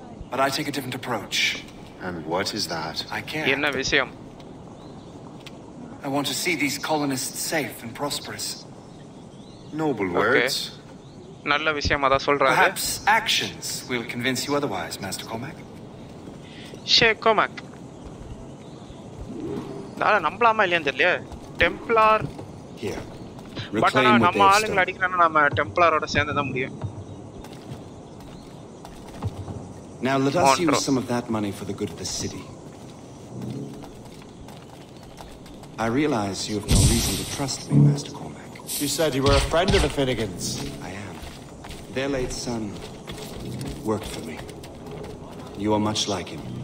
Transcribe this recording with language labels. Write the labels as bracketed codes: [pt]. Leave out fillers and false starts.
[en] But I take a different approach. And what is that? I care. I want to see these colonists safe and prosperous. Noble words. Okay. [ta] நல்ல விஷயம் அதான் சொல்றாரு. [en] Perhaps actions will convince you otherwise, Master Comac. [ta] ஷே கோமாக் நான் நம்பலாமா இல்லையான்னு தெரியல. டெம்ப்ளார் but நம்ம ஆளுங்க அடிக்கிறானா நம்ம டெம்ப்ளாரோட சேர்ந்து தான் முடியும். [en] Now let us use some of that money for the good of the city. I realize you have no reason to trust me, Master Comac. You said you were a friend of the Finnegans. Their late son worked for me. You are much like him.